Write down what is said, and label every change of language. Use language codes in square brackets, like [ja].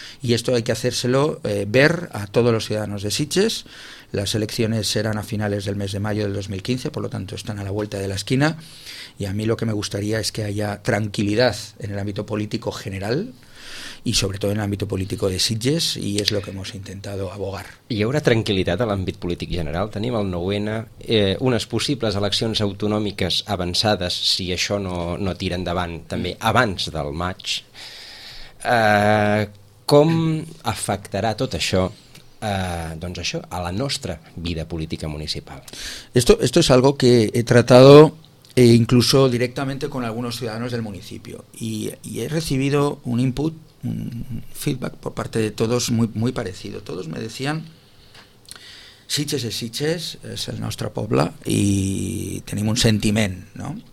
[es] Y esto hay que hacérselo ver a todos los ciudadanos de Sitges. Las elecciones serán a finales del mes de mayo del 2015, por lo tanto están a la vuelta de la esquina, y a mí lo que me gustaría es que haya tranquilidad en el ámbito político general y sobre todo en el ámbito político de Sitges, y es lo que hemos intentado abogar. [ca] Hi haurà tranquil·litat a l'àmbit polític general? Tenim el 9-N, unes possibles eleccions autonòmiques avançades, si això no tira endavant, també abans del maig. Com afectarà tot això a la nostra vida política municipal? [es] Esto es algo que he tratado incluso directamente con algunos ciudadanos del municipio, y he recibido un input, un feedback por parte de todos muy, muy parecido. Todos me decían: Sitges es Sitges, es [ca] el nostre poble, [es] y [ca] tenim un sentiment, [es] ¿no?